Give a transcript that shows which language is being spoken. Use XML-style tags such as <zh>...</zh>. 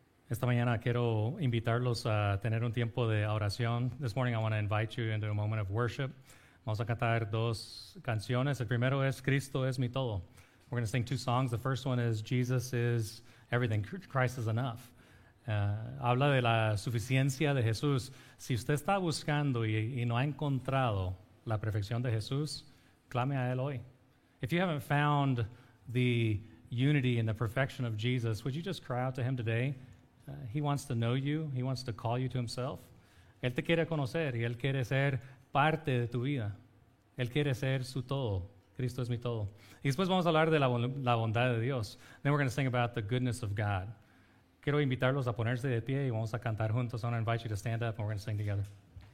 <es>Esta mañana quiero invitarlos a tener un tiempo de oración.</es> <en>This morning I want to invite you into a moment of worship.</en> <es>Vamos a cantar dos canciones. El primero es Cristo es mi todo.</es> <en>We're going to sing two songs. The first one is Jesus is everything. Christ is enough.</en> <es>Habla de la suficiencia de Jesús. Si usted está buscando y no ha encontrado la perfección de Jesús, clame a él hoy.</es> <en>If you haven't found the unity and the perfection of Jesus, would you just cry out to him today? He wants to know you. He wants to call you to himself.</en> <es>Él te quiere conocer y él quiere ser parte de tu vida. Él quiere ser su todo. Cristo es mi todo. Y después vamos a hablar de la bondad de Dios.</es> <en>Then we're going to sing about the goodness of God.</en> <es>Quiero invitarlos a ponerse de pie y vamos a cantar juntos.</es> <en>I want to invite you to stand up and we're going to sing together.</en>